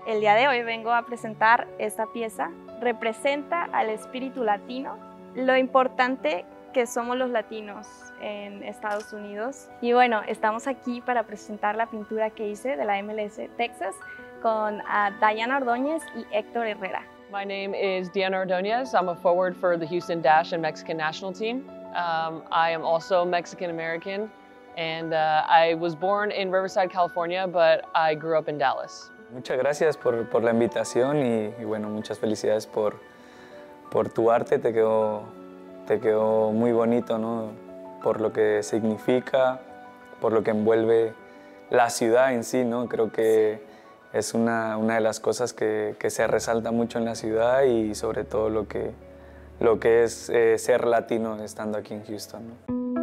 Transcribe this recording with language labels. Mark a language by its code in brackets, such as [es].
[es] El día de hoy vengo a presentar esta pieza. Representa al espíritu latino, lo importante que somos los latinos en Estados Unidos. Y bueno, estamos aquí para presentar la pintura que hice de la MLS Texas con Diana Ordóñez y Héctor Herrera. [en] My name is Diana Ordóñez. I'm a forward for the Houston Dash and Mexican national team. I am also Mexican-American, and I was born in Riverside, California, but I grew up in Dallas. [es] Muchas gracias por la invitación y bueno, muchas felicidades por tu arte. Te quedó muy bonito, ¿no? Por lo que significa, por lo que envuelve la ciudad en sí, ¿no? Creo que es una de las cosas que se resalta mucho en la ciudad y sobre todo lo que es ser latino estando aquí en Houston, ¿no?